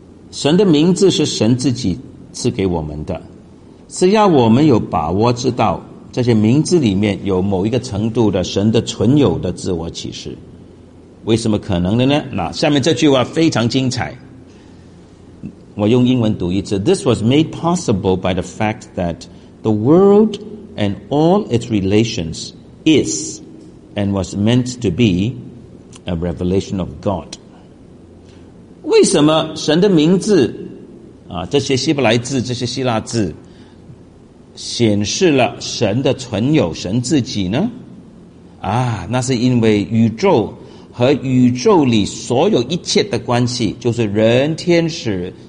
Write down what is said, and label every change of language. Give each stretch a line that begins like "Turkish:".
Chinese: 神的名字是神自己赐给我们的，是要我们有把握知道这些名字里面有某一个程度的神的存有的自我启示。为什么可能的呢？那下面这句话非常精彩，我用英文读一次。
English: This was made possible by the fact that the worldand all its relations is and was meant to be a revelation of God.
Chinese: 为什么神的名字这些希伯来字，这些希腊字显示了神的存有，神自己呢？那是因为宇宙和宇宙里所有一切的关系，就是人、天使、